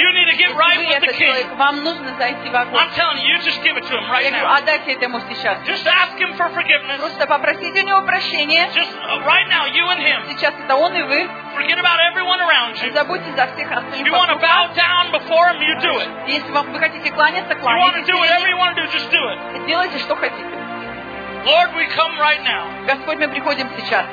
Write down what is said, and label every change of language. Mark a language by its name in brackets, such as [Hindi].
[English] You need to get right with the King. [Russian] Вам нужно зайти в огонь. [English] I'm telling you, you just give it to him right now. [Russian] Отдайте ему сейчас. [English] Just ask him for forgiveness. [Russian] Просто попросите у него прощения. [English] Just right now, you and him. [Russian] Сейчас это он и вы. [English] Forget about everyone around you. [Russian] Забудьте за всех остальных. [English] If you want to bow down before him, you do it. [Russian] Если вы хотите кланяться, кланяйтесь. [English] You want to do whatever you want to do, just do it. [Russian] Делайте, что хотите. [English] Lord, we come right now. [Russian] Господь, мы приходим сейчас.